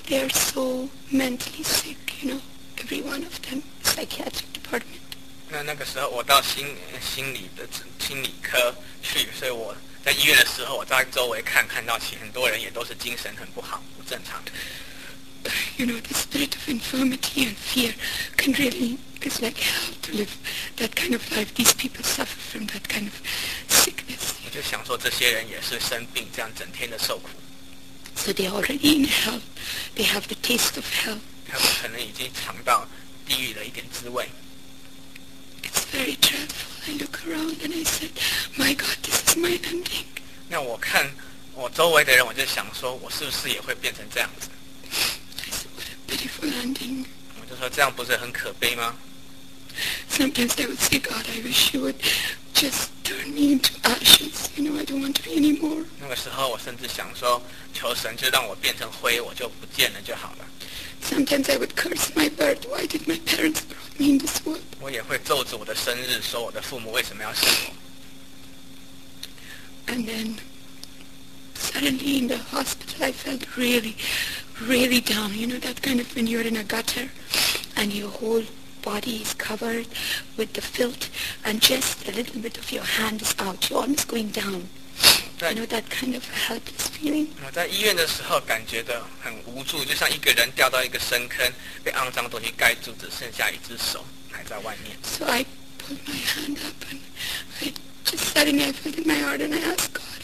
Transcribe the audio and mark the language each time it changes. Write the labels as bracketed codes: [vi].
[en] They are so mentally sick, you know, every one of them, psychiatric department. [zh] 那个时候我到心理科去，所以我在医院的时候，我在周围看到其很多人也都是精神很不好，不正常的。 [en] You know, the spirit of infirmity and fear can really, it's like hell to live that kind of life. These people suffer from that kind of sickness. [zh] 我就想说，这些人也是生病，这样整天的受苦。 [en] So they're already in hell. They have the taste of hell. [zh] 他们可能已经尝到地狱的一点滋味。 [en] It's very dreadful. I look around and I said, "My God, this is my ending." [zh] 那我看我周围的人，我就想说，我是不是也会变成这样子？ [en] Beautiful ending. [zh] 我就说这样不是很可悲吗？ [en] Sometimes I would say, God, I wish you would just turn me into ashes. You know, I don't want to be anymore. [zh] 那个时候，我甚至想说，求神就让我变成灰，我就不见了就好了。 [en] Sometimes I would curse my birth. Why did my parents brought me in this world? [zh] 我也会咒诅我的生日，说我的父母为什么要死我。 [en] And then suddenly in the hospital, I felt really. Really down, you know that kind of when you're in a gutter, and your whole body is covered with the filth, and just a little bit of your hand is out. You're almost going down. You know that kind of helpless feeling. [zh] 我在医院的时候感觉的很无助，就像一个人掉到一个深坑，被肮脏东西盖住，只剩下一只手还在外面。 [en] So I put my hand up, and I just suddenly I felt in my heart, and I asked God.